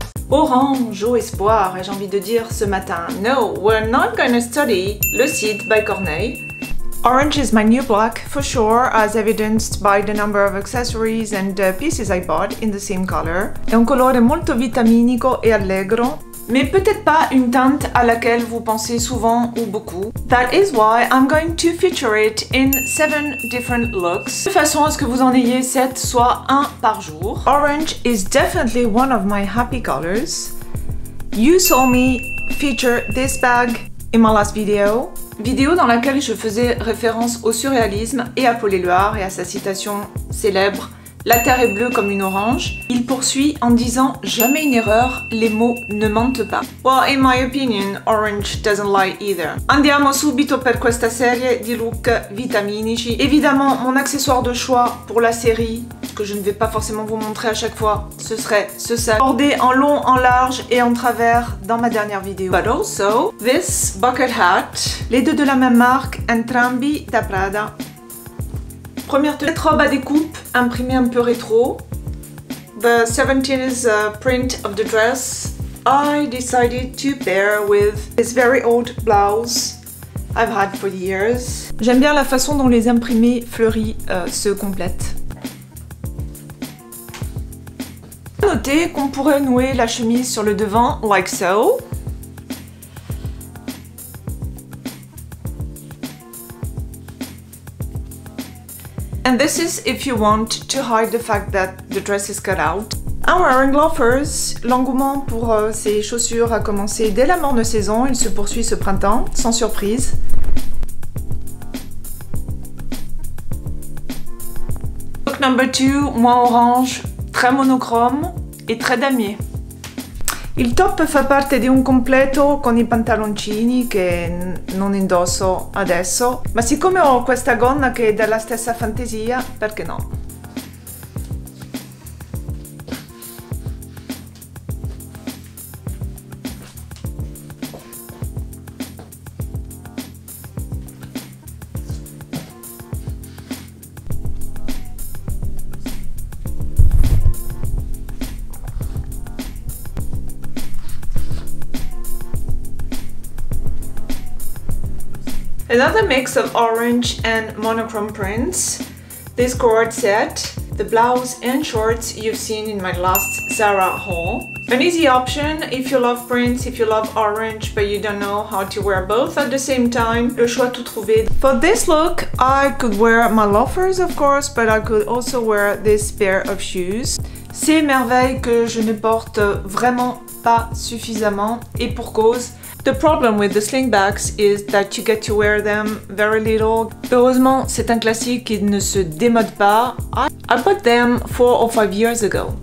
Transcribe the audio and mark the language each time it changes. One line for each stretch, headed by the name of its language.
French: Orange au espoir, ai-je envie de dire ce matin.
English: No, we're not gonna study Le Cid by Corneille. Orange is my new black, for sure, as evidenced by the number of accessories and pieces I bought in the same color.
Italian: È un colore molto vitaminico e allegro.
French: Mais peut-être pas une teinte à laquelle vous pensez souvent ou beaucoup.
English: That is why I'm going to feature it in 7 different looks.
French: De façon à ce que vous en ayez 7, soit un par jour.
English: Orange is definitely one of my happy colors. You saw me feature this bag in my last video.
French: Vidéo dans laquelle je faisais référence au surréalisme et à Paul Éluard et à sa citation célèbre « La terre est bleue comme une orange ». Il poursuit en disant « Jamais une erreur, les mots ne mentent pas ».
English: Well, in my opinion, orange doesn't lie either.
Italian: Andiamo subito per questa serie di look vitaminici.
French: Évidemment, mon accessoire de choix pour la série, que je ne vais pas forcément vous montrer à chaque fois, ce serait ce sac bordé en long, en large et en travers dans ma dernière vidéo.
English: But also, this bucket hat.
French: Les deux de la même marque,
Italian: entrambi da Prada.
French: Première tenue, cette robe à découpe imprimée un peu rétro.
English: The 17th print of the dress I decided to pair with this very old blouse I've had for years.
French: J'aime bien la façon dont les imprimés fleuris se complètent. Notez qu'on pourrait nouer la chemise sur le devant,
English: like so. And this is if you want to hide the fact that the dress is cut out. I'm wearing loafers.
French: L'engouement pour ces chaussures a commencé dès la morne saison. Il se poursuit ce printemps, sans surprise.
English: Look number two,
French: moins orange, très monochrome et très damier.
Italian: Il top fa parte di un completo con i pantaloncini che non indosso adesso, ma siccome ho questa gonna che è della stessa fantasia, perché no?
English: Another mix of orange and monochrome prints. This cord set, the blouse and shorts you've seen in my last Zara haul. An easy option if you love prints, if you love orange, but you don't know how to wear both at the same time.
French: Le choix tout trouvé.
English: For this look, I could wear my loafers, of course, but I could also wear this pair of shoes.
French: C'est merveille que je ne porte vraiment pas suffisamment, et pour cause.
English: The problem with the slingbacks is that you get to wear them very little.
French: Heureusement, c'est un classique qui ne se démode pas.
English: I bought them 4 or 5 years ago.